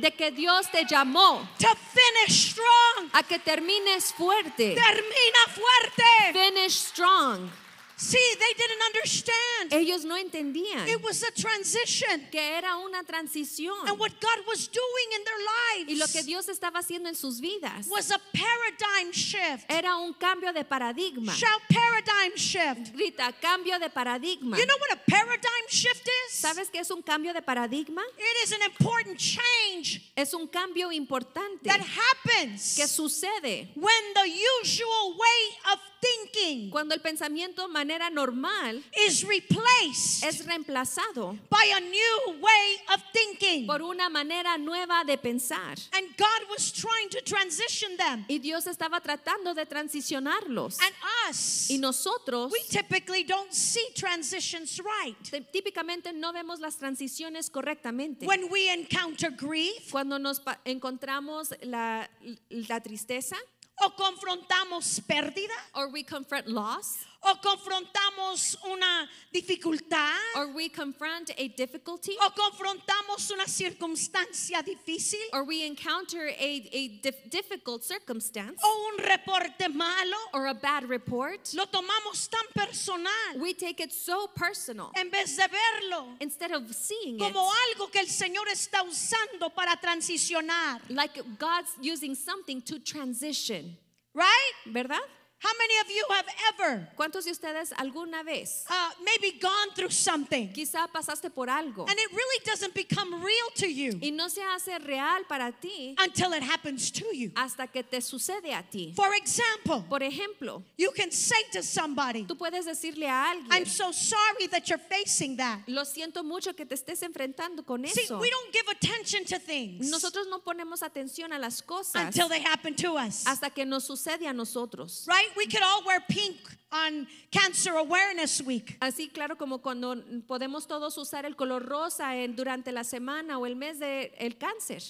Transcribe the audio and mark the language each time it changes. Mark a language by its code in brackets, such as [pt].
[es] de que Dios te llamó, [en] to finish strong, [es] a que termines fuerte, termina fuerte, [en] finish strong. See, they didn't understand. [es] Ellos no entendían. [en] It was a transition. [es] Que era una transición. [en] And what God was doing in their lives, [es] y lo que Dios estaba haciendo en sus vidas, [en] was a paradigm shift. [es] Era un cambio de paradigma. [en] Shout paradigm shift. [es] Grita, cambio de paradigma. [en] You know what a paradigm shift is? [es] ¿Sabes qué es un cambio de paradigma? [en] It is an important change. [es] Es un cambio importante. [en] That happens. [es] Que sucede. [en] When the usual way of thinking, [es] cuando el pensamiento manera normal, [en] is replaced, [es] es reemplazado, [en] by a new way of thinking, [es] por una manera nueva de pensar. [en] And God was trying to transition them, [es] y Dios estaba tratando de transicionarlos. [en] And us, [es] y nosotros, [en] we typically don't see transitions right, [es] típicamente no vemos las transiciones correctamente. [en] When we encounter grief, [es] cuando nos encontramos la tristeza, o confrontamos pérdida, [en] or we confront loss, [es] o confrontamos una dificultad, [en] or we confront a difficulty, [es] o confrontamos una circunstancia difícil, [en] or we encounter a difficult circumstance, [es] o un reporte malo, [en] or a bad report, [es] lo tomamos tan personal, [en] we take it so personal, [es] en vez de verlo, [en] instead of seeing [es] como [en] it, [es] algo que el Señor está usando para transicionar, [en] like God's using something to transition, right? [es] ¿Verdad? [en] How many of you have ever? [es] ¿Cuántos de ustedes alguna vez? [en] Maybe gone through something. [es] Quizá pasaste por algo. [en] And it really doesn't become real to you. [es] Y no se hace real para ti. [en] Until it happens to you. [es] Hasta que te sucede a ti. [en] For example. [es] Por ejemplo. [en] You can say to somebody. [es] Tú puedes decirle a alguien. [en] I'm so sorry that you're facing that. [es] Lo siento mucho que te estés enfrentando con eso. [en] See, we don't give attention to things. [es] Nosotros no ponemos atención a las cosas. [en] Until they happen to us. [es] Hasta que nos sucede a nosotros. [en] Right? We could all wear pink on Cancer Awareness Week. [es] Así claro como cuando podemos todos usar el color rosa en durante la semana o el mes de el cáncer.